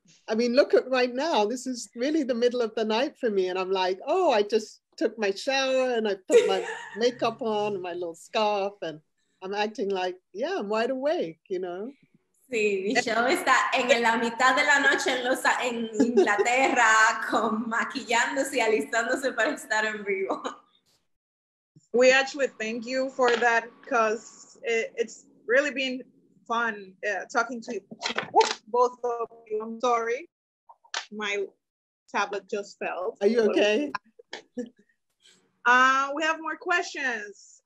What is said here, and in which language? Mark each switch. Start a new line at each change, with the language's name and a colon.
English: I mean, look at right now, this is really the middle of the night for me and I'm like, oh, I just took my shower and I put my makeup on, my little scarf, and I'm acting like, yeah, I'm wide awake, you know?
Spanish: Sí, Michelle está en la mitad de la noche en Inglaterra con maquillándose y alistándose para estar en vivo.
English: We actually thank you for that because it's really been fun talking to you, both of you. I'm sorry, my tablet just fell. Are you okay? We have more questions.